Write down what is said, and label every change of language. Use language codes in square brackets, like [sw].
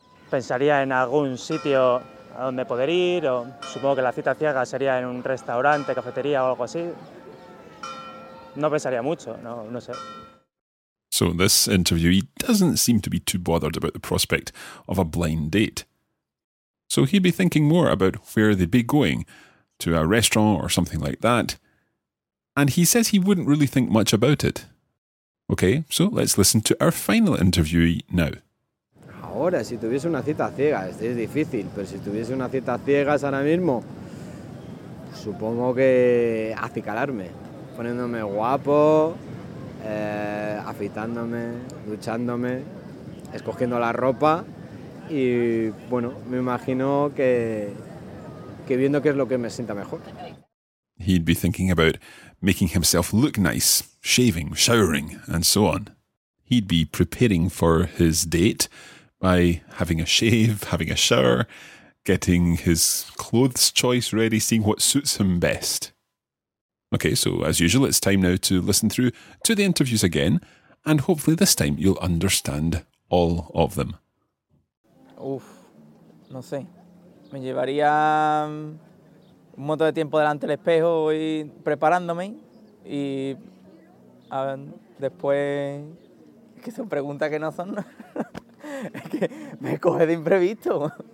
[es] Pensaría en algún sitio a donde poder ir, o supongo que la cita ciega sería en un restaurante, cafetería o algo así. No pensaría mucho, no sé. [en] So this interviewee doesn't seem to be too bothered about the prospect of a blind date. So he'd be thinking more about where they'd be going, to a restaurant or something like that. And he says he wouldn't really think much about it. Okay, so let's listen to our final interviewee now. [es] Ahora, si tuviese una cita ciegas, es difícil, pero si tuviese una cita ciegas ahora mismo, supongo que acicalarme, poniéndome guapo, afeitándome, duchándome, escogiendo la ropa y, bueno, me imagino que viendo qué es lo que me sienta mejor. [en] He'd be thinking about making himself look nice, shaving, showering, and so on. He'd be preparing for his date by having a shave, having a shower, getting his clothes choice ready, seeing what suits him best. Okay, so as usual, it's time now to listen through to the interviews again, and hopefully this time you'll understand all of them. [es] Uf, no sé. Me llevaría un montón de tiempo delante del espejo y preparándome y después que son preguntas que no son. Es que me coge de imprevisto.